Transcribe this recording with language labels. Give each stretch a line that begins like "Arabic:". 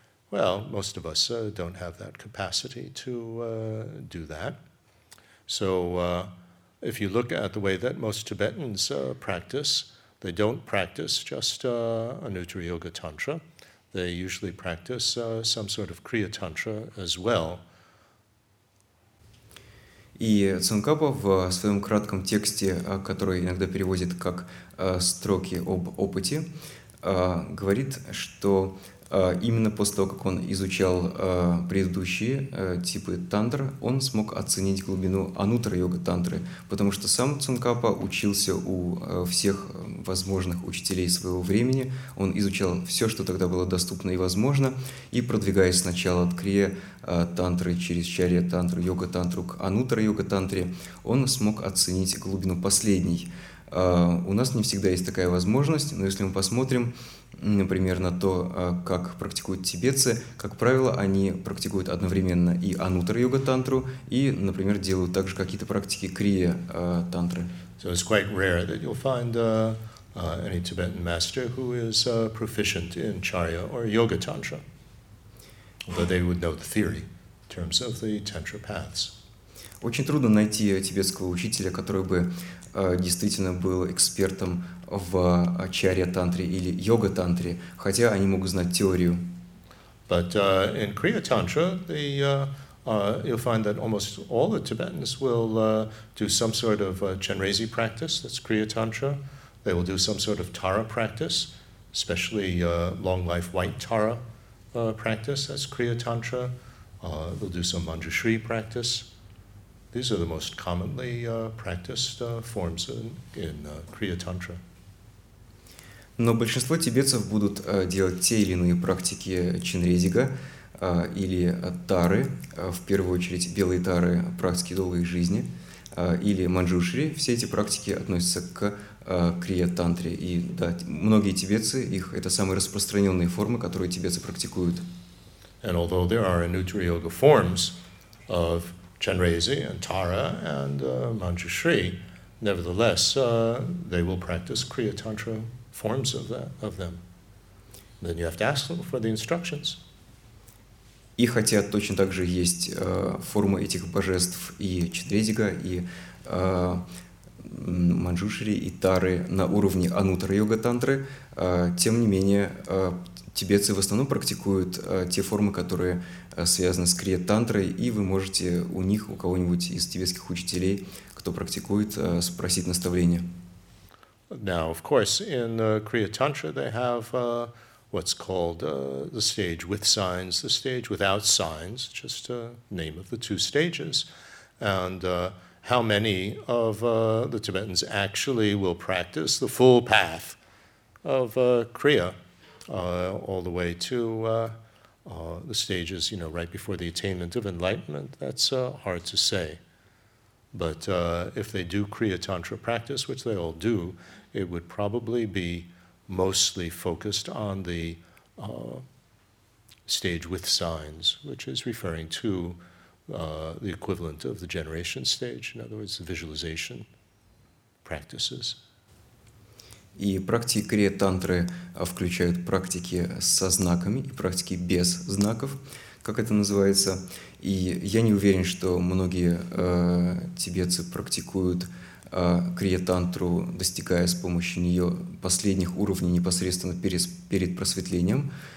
English: Well, most of us don't have that capacity to do that. So if you look at the way that most Tibetans practice, they don't practice just Anuttara Yoga Tantra. They usually practice some sort of Kriya Tantra as well.
Russian: И Цункапа в своем кратком тексте, который иногда переводит как «строки об опыте», говорит, что именно после того, как он изучал предыдущие типы тантр, он смог оценить глубину анутра-йога-тантры, потому что сам Цункапа учился у всех возможных учителей своего времени, он изучал все, что тогда было доступно и возможно, и продвигаясь сначала от крия-тантры через чария-тантру-йога-тантру к анутра-йога-тантре, он смог оценить глубину последней. У нас не всегда есть такая возможность, но если мы посмотрим, например, на то, как практикуют тибетцы, как правило, они практикуют одновременно и анутра-йога-тантру, и, например, делают также какие-то практики крия-тантры.
English: So it's quite rare that you'll find any Tibetan master who is proficient in charya or yoga tantra, although they would know the theory in terms of the tantra paths.
Russian: Очень трудно найти тибетского учителя, который бы действительно был экспертом в чария-тантре или йога-тантре, хотя они могут знать теорию.
English: But in Kriya Tantra, you'll find that almost all the Tibetans will do some sort of Chenrezig practice, that's Kriya Tantra. They will do some sort of Tara practice, especially long life white Tara practice, that's Kriya Tantra. They'll do some Manjushri practice. These are the most commonly practiced forms in Kriya Tantra.
Russian: Но большинство тибетцев будут делать те или иные практики Чинрезига или тары, в первую очередь белые тары, практики долгой жизни, или манджушри. Все эти практики относятся к крия-тантре. И да, многие тибетцы, их это самые распространенные формы, которые тибетцы практикуют.
English: And although there are Anuttara Yoga forms of Chenrezig and Tara and Manjushri, nevertheless, they will practice Kriya-Tantra forms of them. Then you have to ask them for the instructions.
Russian: И хотя точно так же есть формы этих божеств и Чинрезига, и Манджушри, и Тары на уровне Анутра-йога-тантры, тем не менее, тибетцы в основном практикуют те формы, которые связаны с крия-тантрой, и вы можете у них, у кого-нибудь из тибетских учителей, кто практикует, спросить наставления.
English: Now, of course, in Kriya Tantra, they have what's called the stage with signs, the stage without signs, just a name of the two stages. And how many of the Tibetans actually will practice the full path of Kriya all the way to the stages, you know, right before the attainment of enlightenment, that's hard to say. But if they do Kriya Tantra practice, which they all do, it would probably be mostly focused on the stage with signs, which is referring to the equivalent of the generation stage, in other words, the visualization practices.
Russian: И практики крия-тантры включают практики со знаками и практики без знаков, как это называется. И я не уверен, что многие тибетцы практикуют крия-тантру, достигая с помощью нее последних уровней непосредственно перед просветлением.